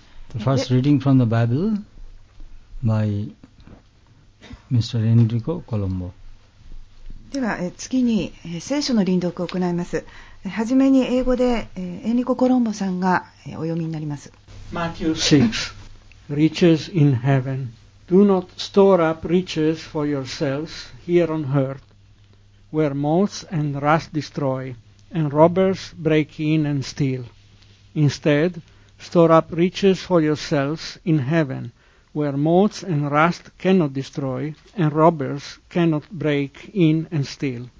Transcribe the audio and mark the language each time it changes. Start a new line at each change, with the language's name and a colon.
English: The first reading from the Bible by Mr. Enrico Colombo.
Japanese: では、次に、聖書の輪読を行います。はじめに英語で、エンリコ・コロンボさんが、お読みになります。
English: Matthew 6, Riches in heaven. Do not store up riches for yourselves here on earth. Where moths and rust destroy, and robbers break in and steal. Instead, store up riches for yourselves in heaven, where moths and rust cannot destroy, and robbers cannot break in and steal.